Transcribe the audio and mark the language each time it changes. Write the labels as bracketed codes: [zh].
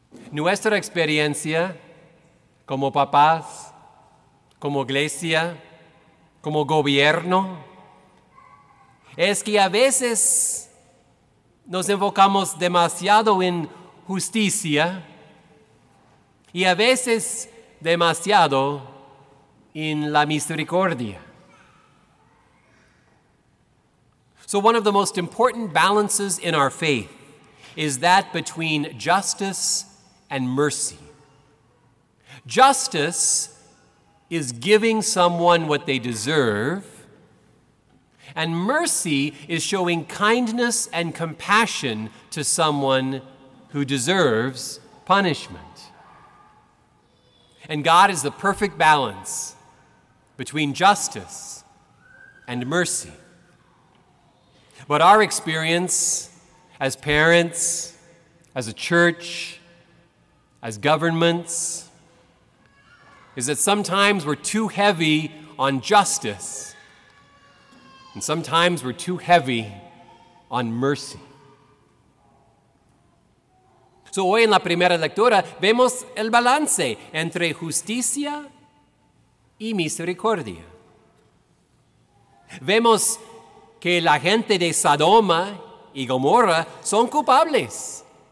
[es] Nuestra experiencia como papás, como iglesia, como gobierno, es que a veces nos enfocamos demasiado en justicia y a veces demasiado en la misericordia. [en] So one of the most important balances in our faith is that between justice and mercy. Justice is giving someone what they deserve, and mercy is showing kindness and compassion to someone who deserves punishment. And God is the perfect balance between justice and mercy. But our experience as parents, as a church, as governments, is that sometimes we're too heavy on justice, and sometimes we're too heavy on mercy. [es] So hoy en la primera lectura vemos el balance entre justicia y misericordia. Vemos que la gente de Sodoma y Gomorra son culpables.